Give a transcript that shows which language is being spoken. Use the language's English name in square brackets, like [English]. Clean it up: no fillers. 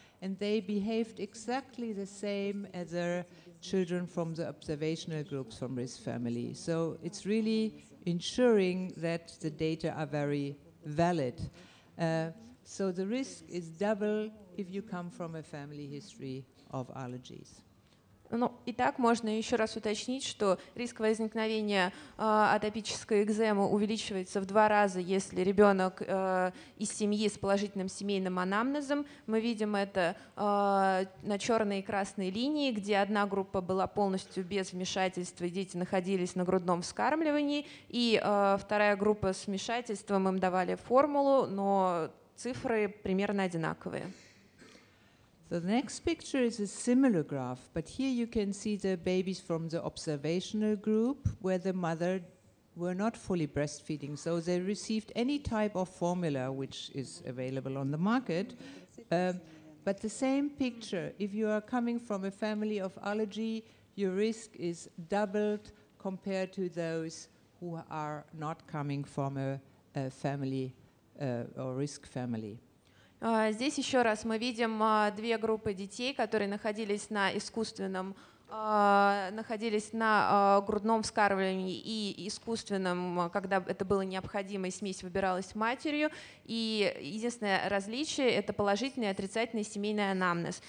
[English] And they behaved exactly the same as the children from the observational groups from risk family. So it's really ensuring that the data are very valid. So the risk is double if you come from a family history of allergies. [Russian] Ну, итак, можно еще раз уточнить, что риск возникновения атопической экземы увеличивается в 2 раза, если ребенок из семьи с положительным семейным анамнезом. Мы видим это на черной и красной линии, где одна группа была полностью без вмешательства, дети находились на грудном вскармливании, и вторая группа с вмешательством, им давали формулу, но цифры примерно одинаковые. [English] The next picture is a similar graph, but here you can see the babies from the observational group where the mother were not fully breastfeeding, so they received any type of formula which is available on the market. But the same picture, if you are coming from a family of allergy, your risk is doubled compared to those who are not coming from a family or risk family. [Russian] Здесь еще раз мы видим две группы детей, которые находились на искусственном, находились на грудном вскармливании и искусственном, когда это было необходимо, и смесь выбиралась матерью. И единственное различие — это положительный и отрицательный семейный анамнез.